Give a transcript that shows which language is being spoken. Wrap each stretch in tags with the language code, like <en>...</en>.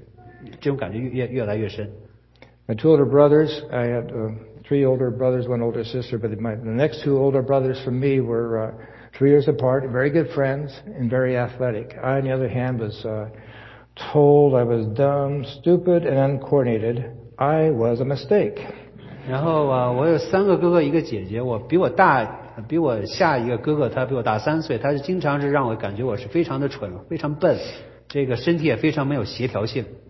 <zh>这样这个感觉就是更加的，这个就是因为我的两个哥哥，他们是都是一个比一个大三岁大，大了三年，他们给我一感觉就是这种感觉越来越深。</zh> <en>My two older brothers, I had three older brothers, one older sister, but the next two older brothers from me were 3 years apart, very good friends, and very athletic. I, on the other hand, was told I was dumb, stupid, and uncoordinated. I was a mistake.</en> <zh>然后我有三个哥哥，一个姐姐。我比我下一个哥哥，他比我大3岁。他经常是让我感觉我是非常的蠢，非常笨，这个身体也非常没有协调性。</zh>